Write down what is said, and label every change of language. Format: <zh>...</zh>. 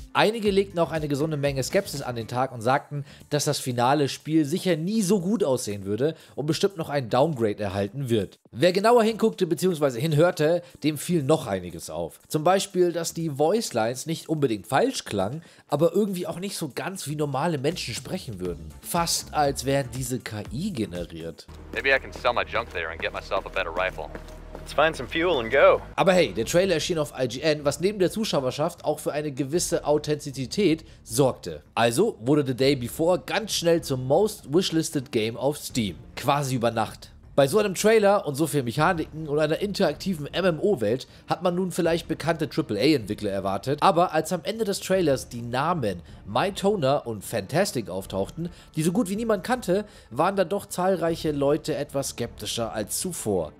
<de>Einige legten auch eine gesunde Menge Skepsis an den Tag und sagten, dass das finale Spiel sicher nie so gut aussehen würde und bestimmt noch ein Downgrade erhalten wird. Wer genauer hinguckte bzw. hinhörte, dem fiel noch einiges auf. Zum Beispiel, dass die Voicelines nicht unbedingt falsch klangen, aber irgendwie auch nicht so ganz wie normale Menschen sprechen würden. Fast als wären diese KI generiert.</de> <en>Maybe I can sell my junk there and get myself a better rifle. Let's find some fuel and go.</en> <de>Aber hey, der Trailer erschien auf IGN, was neben der Zuschauerschaft auch für eine gewisse Authentizität sorgte. Also wurde The Day Before ganz schnell zum Most Wishlisted Game auf Steam. Quasi über Nacht. Bei so einem Trailer und so vielen Mechaniken und einer interaktiven MMO-Welt hat man nun vielleicht bekannte AAA-Entwickler erwartet, aber als am Ende des Trailers die Namen Mytoner und Fantastic auftauchten, die so gut wie niemand kannte, waren dann doch zahlreiche Leute etwas skeptischer als zuvor.</de>